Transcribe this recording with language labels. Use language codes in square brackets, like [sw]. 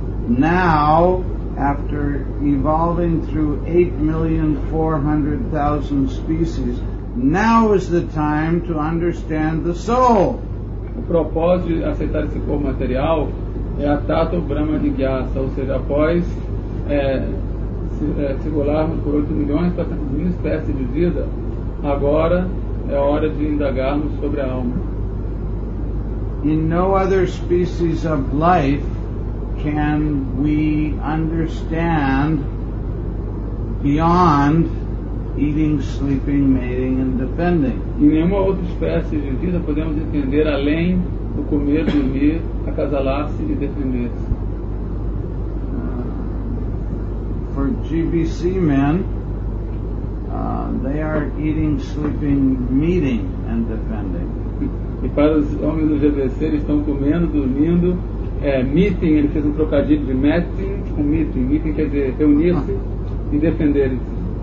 [en] Now, after evolving through 8,400,000 species, now is the time to understand the soul. [pt] O propósito de aceitar esse corpo material é a Tato Brahma de Gyasa, ou seja, após se circularmos por 8 milhões para essa divina espécie de vida, agora é hora de indagarmos sobre a alma. [en] In no other species of life can we understand beyond eating, sleeping, mating and defending. [pt] Em nenhuma outra espécie de vida podemos entender além do comer, dormir, acasalar-se e defender-se. [en] For GBC men, they are eating, sleeping, mating and defending. [pt] E para os homens do GBC, eles estão comendo, dormindo, meeting, ele fez um trocadilho de meeting com meeting. Meeting quer dizer reunir-se e defenderem-se.